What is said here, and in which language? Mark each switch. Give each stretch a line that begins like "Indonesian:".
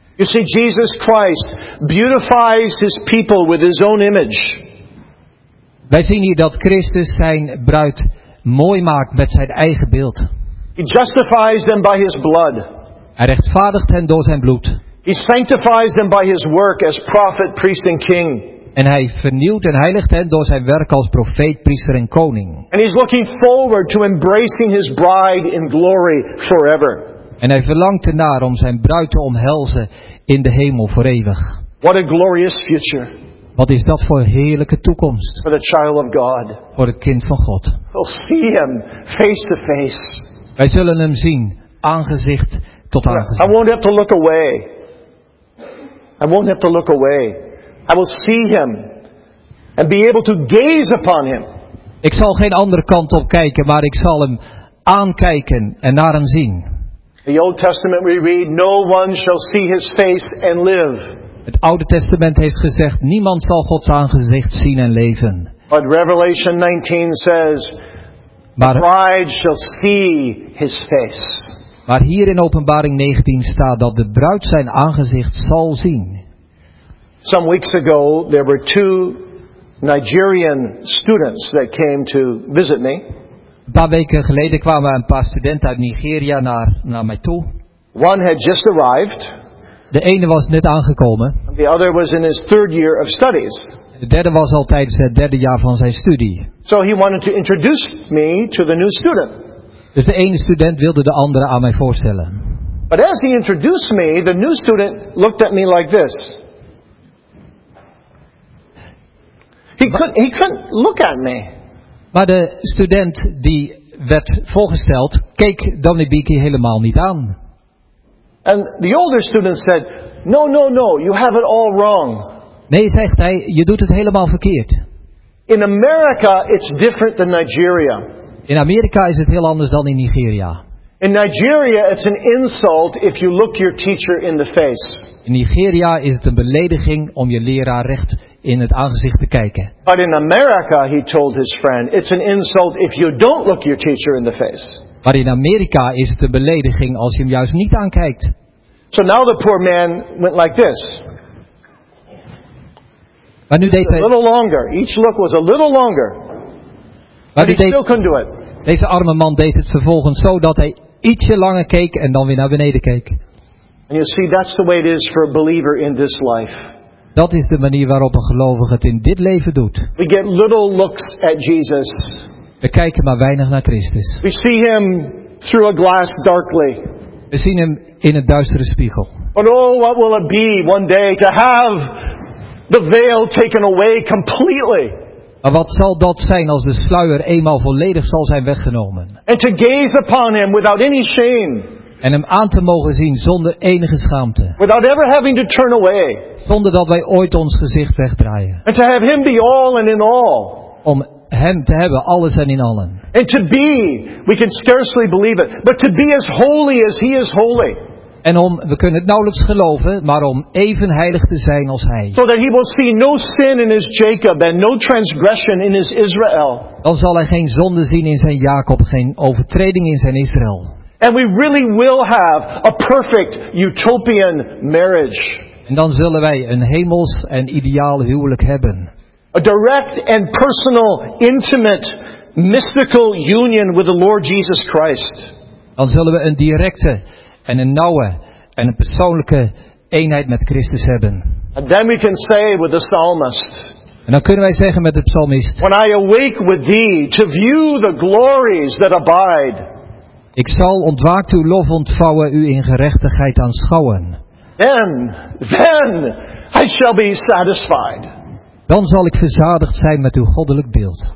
English: You see, Jesus Christ beautifies his people with his own image.
Dutch: Wij zien hier dat Christus zijn bruid mooi maakt met zijn eigen beeld.
English: He justifies them by his blood.
Dutch: Hij rechtvaardigt hen door zijn bloed.
English: He sanctifies them by his work as prophet, priest and king.
Dutch: En hij vernieuwt en heiligt hen door zijn werk als profeet, priester en koning.
English: And he's looking forward to embracing his bride in glory forever.
Dutch: En hij verlangt ernaar om zijn bruid te omhelzen in de hemel voor eeuwig.
English: What a glorious future.
Dutch: Wat is dat voor een heerlijke toekomst?
English: For the child of God.
Dutch: Voor het kind van God.
English: We'll see him face to face.
Dutch: Wij zullen hem zien aangezicht tot aangezicht.
English: I won't have to look away. I won't have to look away. I will see him and be able to gaze upon him.
Dutch: Ik zal geen andere kant op kijken, maar ik zal hem aankijken en naar hem zien.
English: The Old Testament we read, "No one shall see his face and live."
Dutch: Het Oude Testament heeft gezegd, niemand zal Gods aangezicht zien en leven.
English: But Revelation 19 says, maar, "The bride shall see his face."
Dutch: Maar hier in Openbaring 19 staat dat de bruid zijn aangezicht zal zien.
English: Some weeks ago there were two Nigerian students that came to visit me.
Dutch: Een paar weken geleden kwamen een paar studenten uit Nigeria naar mij toe.
English: One had just arrived.
Dutch: De ene was net aangekomen.
English: And the other was in his third year of studies.
Dutch: De derde was al tijdens het derde jaar van zijn studie.
English: So he wanted to introduce me to the new student.
Dutch: Dus de ene student wilde de andere aan mij voorstellen.
English: But as he introduced me, the new student looked at me like this. He couldn't look at me.
Dutch: Maar de student die werd voorgesteld, keek Dominic Beeky helemaal niet aan.
English: And the older student said, "No, no, no, you have it all wrong."
Dutch: Nee, zegt hij, je doet het helemaal verkeerd.
English: In America, it's different than Nigeria.
Dutch: In Amerika is het heel anders dan in Nigeria.
English: In Nigeria, it's an insult if you look your teacher in the face.
Dutch: In Nigeria is het een belediging om je leraar recht in het aangezicht te kijken.
English: But in America, he told his friend, it's an insult if you don't look your teacher in the face.
Dutch: Maar in Amerika is het een belediging als je hem juist niet aankijkt.
English: So now the poor man went like this.
Dutch: Maar nu deed hij
English: a little longer. Each look was a little longer.
Dutch: Maar
English: but he still couldn't do it.
Dutch: Deze arme man deed het vervolgens zo dat hij ietsje langer keek en dan weer naar beneden keek.
English: And you see, that's the way it is for a believer in this life.
Dutch: Dat is de manier waarop een gelovige het in dit leven doet.
English: We get little looks at Jesus.
Dutch: We kijken maar weinig naar Christus.
English: We see him through a glass darkly.
Dutch: We zien hem in een duistere spiegel.
English: But oh, what will it be one day to have the veil taken away completely?
Dutch: Maar wat zal dat zijn als de sluier eenmaal volledig zal zijn weggenomen?
English: And to gaze upon him without any shame.
Dutch: En hem aan te mogen zien zonder enige schaamte.
English: Without ever having to turn away.
Dutch: Zonder dat wij ooit ons gezicht wegdraaien.
English: And to have him be all and in all.
Dutch: Om hem te hebben, alles en in allen.
English: And to be, we can scarcely believe it, but to be as holy as he is holy.
Dutch: En om, we kunnen het nauwelijks geloven, maar om even heilig te zijn als hij.
English: So that he will see no sin in his Jacob and no transgression in his Israel.
Dutch: Dan zal hij geen zonde zien in zijn Jacob, geen overtreding in zijn Israël.
English: And we really will have a perfect utopian marriage.
Dutch: En dan zullen wij een hemels en ideaal huwelijk hebben.
English: A direct and personal, intimate, mystical union with the Lord Jesus Christ.
Dutch: Dan zullen we een directe en een nauwe en een persoonlijke eenheid met Christus hebben.
English: And then we can say with the psalmist.
Dutch: En dan kunnen wij zeggen met de psalmist.
English: When I awake with thee to view the glories that abide.
Dutch: Ik zal ontwaakt uw lof ontvouwen, u in gerechtigheid aanschouwen.
English: Then I shall be satisfied.
Dutch: Dan zal ik verzadigd zijn met uw goddelijk beeld.